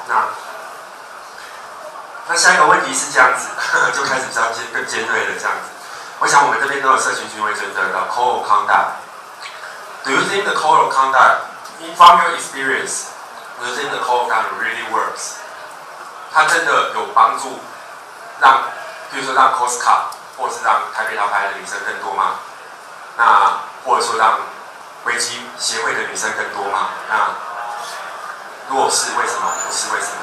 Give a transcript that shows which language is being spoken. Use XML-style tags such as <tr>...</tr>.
<zh>那下一个问题是这样子，就开始比较更尖锐了这样子。我想我们这边都有社群群委员的 Code of Conduct.</zh> <en>Do you think the Code of Conduct, from your experience, do you think the Code of Conduct really works?</en> <zh>它真的有帮助让比如说让 Costco 或是让台北老牌的女生更多吗？那或者说让危机协会的女生更多吗？那如果是为什么，不是为什么？</zh>